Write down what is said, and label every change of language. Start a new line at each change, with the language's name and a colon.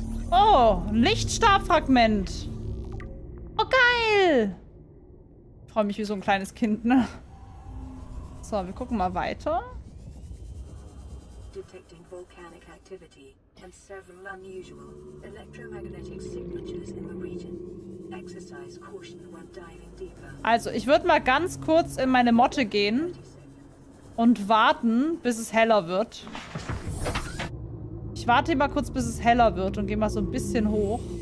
German: Oh, Lichtstabfragment. Oh, geil. Ich freue mich wie so ein kleines Kind, ne? So, wir gucken mal weiter.
English: Detecting volcanic activity and several unusual electromagnetic signatures in the region. Exercise caution when diving deeper.
German: Also, ich würde mal ganz kurz in meine Motte gehen und warten, bis es heller wird. Ich warte mal kurz, bis es heller wird und gehe mal so ein bisschen hoch.